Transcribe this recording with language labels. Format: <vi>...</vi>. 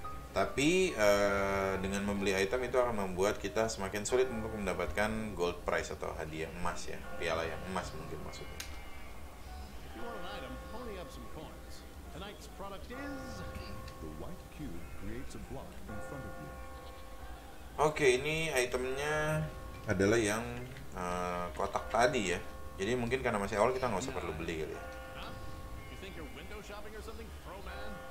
<id>Tapi dengan membeli item itu akan membuat kita semakin sulit untuk mendapatkan gold prize atau hadiah emas ya, piala yang emas mungkin maksudnya.</id> <en>If you want an item, pony up some coins. Tonight's product is the white cube creates a block in front of you.</en> <id>Oke, ini itemnya adalah yang kotak tadi ya. Jadi mungkin karena masih awal kita nggak usah perlu beli kali ya.</id> <en>You think you're window shopping or something, Fro-Man?</en>